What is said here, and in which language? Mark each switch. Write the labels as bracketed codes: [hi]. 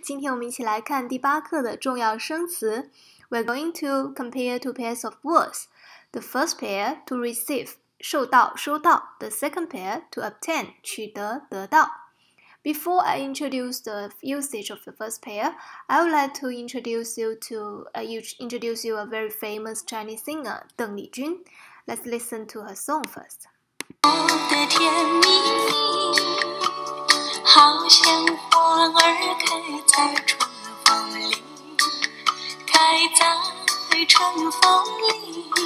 [zh] 今天我们一起来看第八课的重要生词。 [en] We're going to compare two pairs of words. The first pair, to receive, 受到、收到。 The second pair, to obtain, 取得、得到。Before I introduce the usage of the first pair, I would like to introduce you a very famous Chinese singer, 邓丽君。 Let's listen to her song first. [zh] 我的甜蜜蜜好像花儿开在春风里，开在春风里，